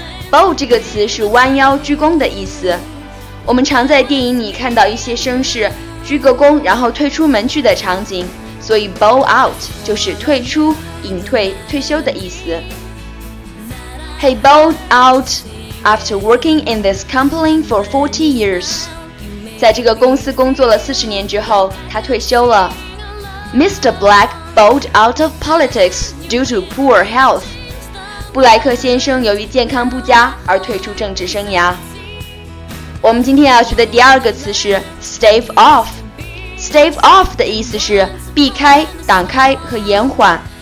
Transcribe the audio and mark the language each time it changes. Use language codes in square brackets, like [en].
[zh] Bow 这个词是弯腰鞠躬的意思，我们常在电影里看到一些绅士鞠个躬然后退出门去的场景，所以 bow out 就是退出、隐退、退休的意思。 [en] He bowed out after working in this company for 40 years. [zh] 在这个公司工作了40年之后，他退休了。 [en] Mr. Black bowed out of politics due to poor health. [zh] 布莱克先生由于健康不佳而退出政治生涯。我们今天要学的第二个词是 stave off。stave off 的意思是避开、挡开和延缓。